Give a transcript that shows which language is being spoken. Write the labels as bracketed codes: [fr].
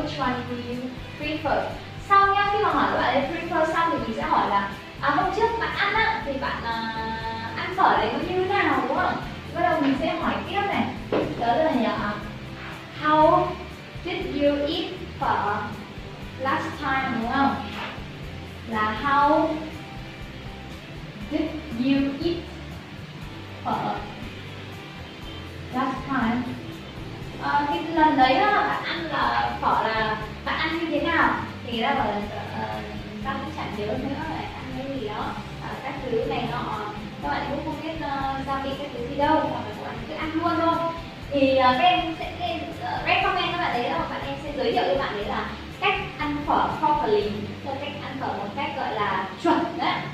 [en] Which one do you prefer? [vi] Sau nhá, khi mà hỏi các bạn ấy prefer xong thì mình sẽ hỏi là à, hôm trước bạn ăn á, thì bạn ăn phở đấy có như thế nào đúng không? Bắt đầu mình sẽ hỏi tiếp này. Đó là nhờ [en] how did you eat phở last time [vi] đúng không? [en] Là how did you eat phở last time? [vi] Cái lần đấy đó, bạn ăn là phở là bạn ăn như thế nào? Thì người ta bảo là ta cũng chẳng nhớ nữa lại ăn cái gì đó. Các thứ này nọ, các bạn cũng không biết gia vị các thứ gì đâu. Hoặc là các bạn cứ ăn luôn thôi. Thì các em sẽ recommend các bạn đấy là bạn em sẽ giới thiệu cho bạn đấy là cách ăn phở properly, là cách ăn phở một cách gọi là chuẩn đấy.